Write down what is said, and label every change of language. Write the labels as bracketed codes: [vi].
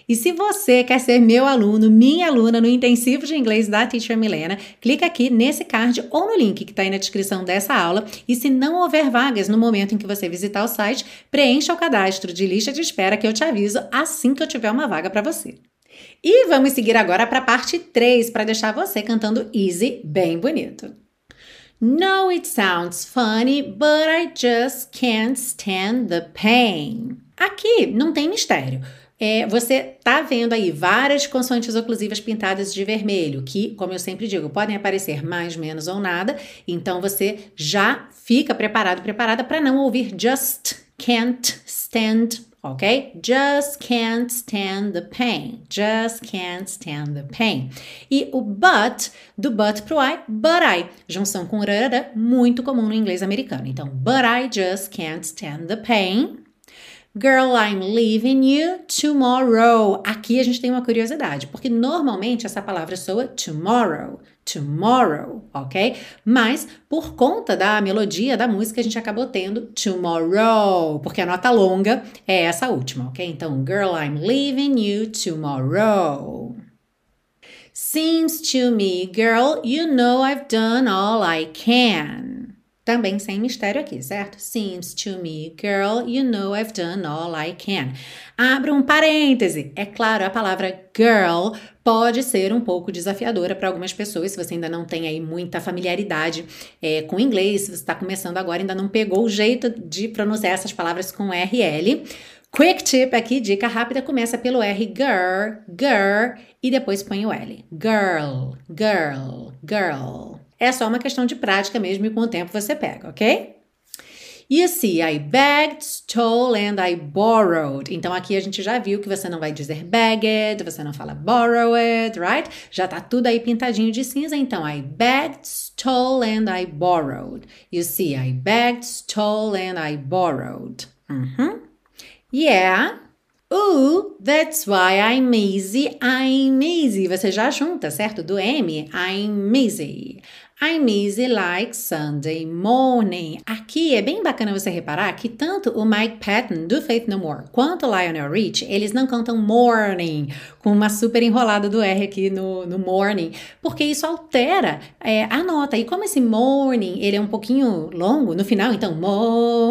[pt] E se você quer ser meu aluno, minha aluna no intensivo de inglês da Teacher Milena, clica aqui nesse card ou no link que está aí na descrição dessa aula. E se não houver vagas no momento em que você visitar o site, preencha o cadastro de lista de espera que eu te aviso assim que eu tiver uma vaga para você. E vamos seguir agora para a parte 3, para deixar você cantando Easy bem bonito. [en] No, it sounds funny, but I just can't stand the pain. [pt] Aqui não tem mistério. Você tá vendo aí várias consoantes oclusivas pintadas de vermelho, que, como eu sempre digo, podem aparecer mais, menos ou nada. Então, você já fica preparado, preparada para não ouvir [en] just can't stand, [pt] ok? [en] Just can't stand the pain. Just can't stand the pain. [pt] E o but, do but pro I, [en] but I. [pt] Junção com rarara, muito comum no inglês americano. [en] Então, but I just can't stand the pain. Girl, I'm leaving you tomorrow. [pt] Aqui a gente tem uma curiosidade, porque normalmente essa palavra soa tomorrow, tomorrow, ok? Mas por conta da melodia da música, a gente acabou tendo tomorrow, porque a nota longa é essa última, ok? [en] Então, girl, I'm leaving you tomorrow. Seems to me, girl, you know I've done all I can. [pt] Também sem mistério aqui, certo? [en] Seems to me, girl, you know I've done all I can. [pt] Abro um parêntese. É claro, a palavra girl pode ser um pouco desafiadora para algumas pessoas, se você ainda não tem aí muita familiaridade com inglês, se você está começando agora, ainda não pegou o jeito de pronunciar essas palavras com RL. [en] Quick tip [pt] aqui, dica rápida, começa pelo R, girl, girl, e depois põe o L. Girl, girl, girl. É só uma questão de prática mesmo e com o tempo você pega, ok? [en] You see, I begged, stole and I borrowed. [pt] Então aqui a gente já viu que você não vai dizer begged, você não fala borrowed, right? Já tá tudo aí pintadinho de cinza, então [en] I begged, stole and I borrowed. You see, I begged, stole and I borrowed. Yeah. That's why I'm easy, I'm easy. [pt] Você já junta, certo? [en] Do M, I'm easy. I'm easy like Sunday morning. [pt] Aqui é bem bacana você reparar que tanto o Mike Patton do Faith No More quanto o Lionel Richie, eles não cantam morning com uma super enrolada do R aqui no morning, porque isso altera a nota. E como esse morning, ele é um pouquinho longo no final, então morning.